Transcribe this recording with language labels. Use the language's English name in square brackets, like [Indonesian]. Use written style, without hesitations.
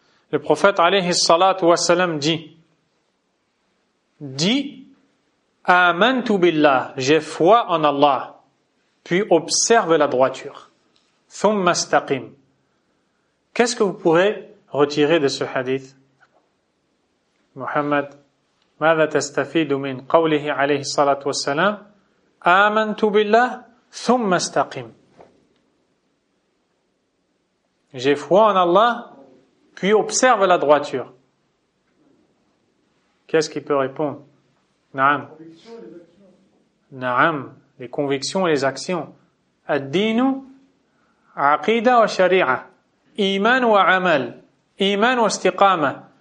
[French] Le prophète alayhi salatu wassalam dit, [Arabic] amantu billah, [French] j'ai foi en Allah. Puis observe la droiture. [Arabic] ثُمَّ اسْتَقِيم. [French] Qu'est-ce que vous pourrez retirer de ce hadith? [Arabic] Muhammad, ماذا تستفيد من قوله عليه الصلاة والسلام؟ آمنت بالله ثم استقيم. [French] J'ai foi en Allah, puis observe la droiture. Qu'est-ce qu'il peut répondre? [Arabic] نعم. نعم. [French] Les convictions et les actions. [Arabic] Ad-dinu, aqida wa sharia, iman wa amal, iman wa istiqama.